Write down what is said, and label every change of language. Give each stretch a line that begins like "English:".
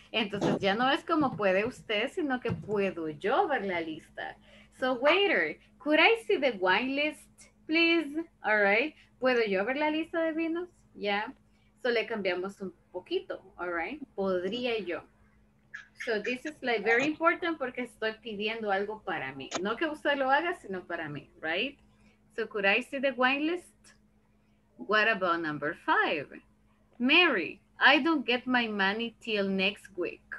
Spanish: Entonces ya no es como puede usted, sino que puedo yo ver la lista.
English: So waiter, could I see the wine list, please? All right.
Spanish: ¿Puedo yo ver la lista de vinos? Yeah. So le cambiamos un poquito. All right. ¿Podría yo?
English: So this is like very important
Spanish: porque estoy pidiendo algo para mí. No que usted lo haga, sino para mí, right?
English: So could I see the wine list? What about number five? Mary, I don't get my money till next week.